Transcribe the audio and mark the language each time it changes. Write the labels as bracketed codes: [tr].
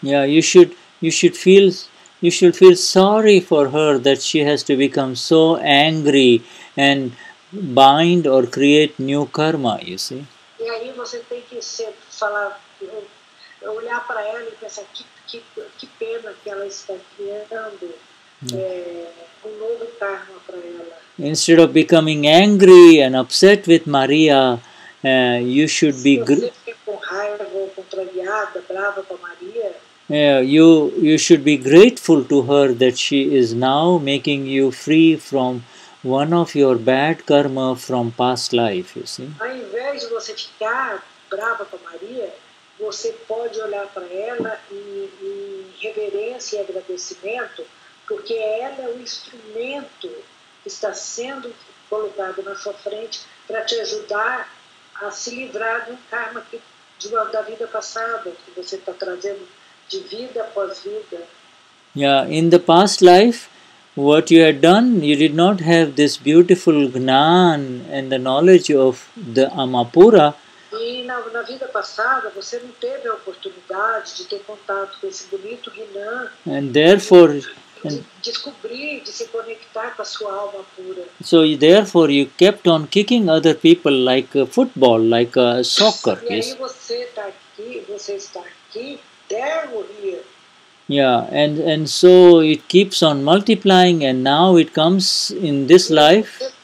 [en] Yeah, you should feel sorry for her that she has to become so angry and bind or create new karma, you see. [pt] E aí você tem que ser, falar, olhar para ela e pensar que pena que ela está criando um novo karma para ela. [en] Instead of becoming angry and upset with Maria, you should se be... [pt] Se você com raiva ou contrariada, brava com a Maria... [en] You should be grateful to her that she is now making you free from one of your bad karma from past life, you see. [pt] Ao invés de você ficar brava com Maria, você pode olhar para ela em reverência e agradecimento, porque ela é o instrumento que está sendo colocado na sua frente para te ajudar a se livrar do karma que, da vida passada, que você está trazendo de vida após vida. [en] Yeah, in the past life, what you had done, you did not have this beautiful gnan and the knowledge of the Amapura. [pt] E na vida passada, você não teve a oportunidade de ter contato com esse bonito gnan. [en] And therefore... [pt] Descobrir, de se conectar com a sua alma pura. [en] So therefore you kept on kicking other people like a football, like a soccer. [pt] E aí você está aqui, você está aqui, there. [en] Yeah, and so it keeps on multiplying, and now it comes in this life.